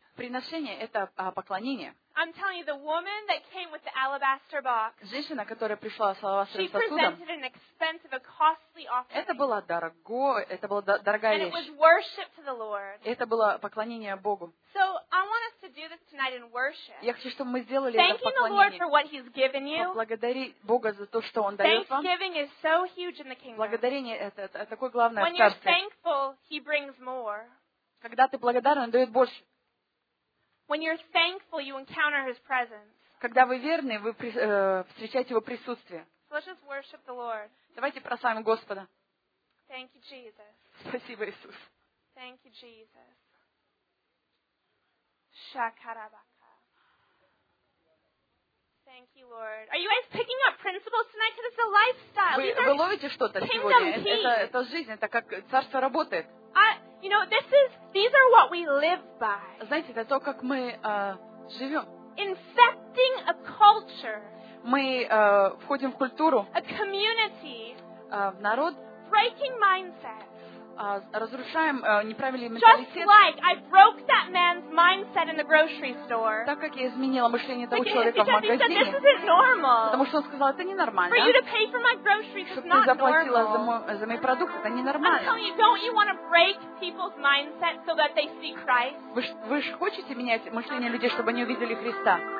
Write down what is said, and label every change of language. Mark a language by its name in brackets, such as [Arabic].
[Russian] Приношение это поклонение. [English] I'm telling you, the woman that came with the alabaster box. [Russian] Женщина, которая пришла с алебастровым сосудом. [English] She presented an expensive, a costly offering. [Russian] Это было дорогая вещь. [English] And it was worship to the Lord. [Russian] Это было поклонение Богу. [English] So I want us to do this tonight in worship. [Russian] Я хочу, чтобы мы сделали это в поклонении. [English] Thanking the Lord for what He's given you. [Russian] Поблагодари Бога за то, что Он дает вам. [English] Thanksgiving is so huge in the kingdom. [Russian] Благодарение это такое главное в царстве. [English] When you're thankful, He brings more. [Russian] Когда ты благодарен, Он дает больше. [English] When you're thankful, you encounter His presence. [Russian] Когда вы верны, вы встречаете Его присутствие. [English] So let's just worship the Lord. [Russian] Давайте прославим Господа. [English] Thank you, Jesus. [Russian] Спасибо, Иисус. [English] Thank you, Jesus. Шакарабака. Thank you, Lord. Are you guys picking up principles tonight? Because it's a lifestyle. [Russian] Вы ловите что-то сегодня? Это жизнь, это как царство работает. [English] You know, these are what we live by. [Russian] Знаете, это то, как мы живем. [English] Infecting a culture. [Russian] Мы входим в культуру. [English] A community. [Russian] В народ. [English] Breaking mindset. [Russian] Разрушаем неправильный менталитет. [English] Just like I broke that man's mindset in the grocery store. [Russian] Так как я изменила мышление того человека в магазине. [English] Because he said, this isn't normal. [Russian] Потому что он сказал, это ненормально. [English] For you to pay for my groceries is not normal. [Russian] Чтобы ты заплатила за мой продукт, это ненормально. [English] I'm telling you, don't you want to break people's mindset so that they see Christ? [Russian] Вы же хотите менять мышление людей, чтобы они увидели Христа?